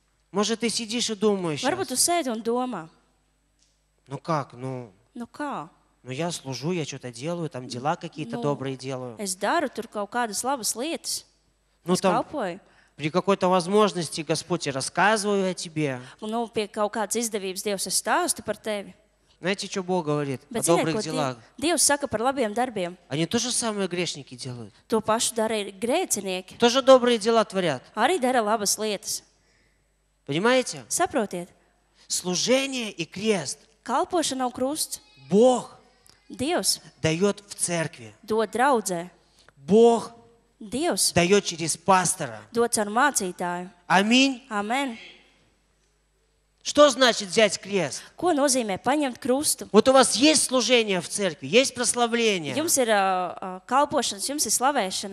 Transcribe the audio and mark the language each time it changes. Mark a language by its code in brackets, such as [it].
[ru] Может, ты сидишь и думаешь. [lv] Varbūt tu sēdi un domā. [ru] Ну как, ну. [lv] Ну kā? [ru] Ну я служу, я что-то делаю, там дела какие-то добрые делаю. [lv] Es daru tur kaut kādas labas lietas. [ru] Ну там. [lv] Kalpoju. [ru] При какой-то возможности, Господь, я рассказываю о тебе. [lv] Ну, pie kaut kādas izdevības, Dievs, es stāstu par tevi. [ru] Знаете, что Бог говорит [lv] Bet [ru] о добрых делах? [lv] Dievs saka par labiem darbiem. [ru] Они тоже самые грешники делают. [lv] To pašu dara ir grēcinieki. [ru] Тоже добрые дела творят. [lv] Arī dara labas lietas. [ru] Понимаете? [lv] Saprotiet. [ru] Служение и крест. [lv] Kalpošana un krusts. [ru] Бог. [lv] Dievs. [ru] Дает в церкви. [lv] Dod draudzē. [ru] Бог. [lv] Dievs. [ru] Дает через пастора. [lv] Dod caur mācītāju. [ru] Аминь. [lv] Amen. [ru] Что значит взять крест? [lv] Ko nozīmē paņemt krustu? [ru] Вот у вас есть служение в церкви, есть прославление. [lv] Jums ir kalpošanas, jums ir slavēšana.